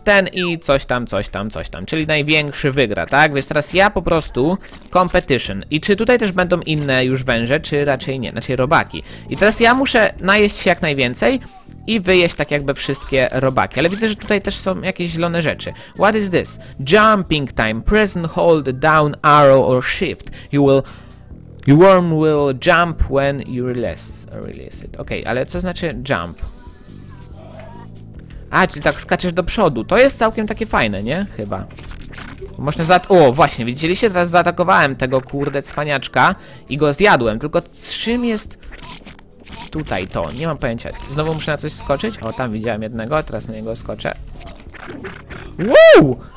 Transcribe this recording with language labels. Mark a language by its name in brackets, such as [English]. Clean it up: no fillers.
[Polish] Ten i coś tam, coś tam, coś tam. Czyli największy wygra, tak? Więc teraz ja po prostu competition. I czy tutaj też będą inne już węże, czy raczej nie? Znaczy robaki. I teraz ja muszę najeść się jak najwięcej i wyjeść tak jakby wszystkie robaki. Ale widzę, że tutaj też są jakieś zielone rzeczy. [English] What is this? Jumping time. Press and hold down arrow or shift. Your worm will jump when you release it. [Polish] Okej, ale co znaczy jump? A, czyli tak skaczesz do przodu. To jest całkiem takie fajne, nie? Chyba. Można o, właśnie, widzieliście? Teraz zaatakowałem tego kurde cwaniaczka i go zjadłem. Tylko czym jest tutaj to? Nie mam pojęcia. Znowu muszę na coś skoczyć? O, tam widziałem jednego, teraz na niego skoczę. Woo!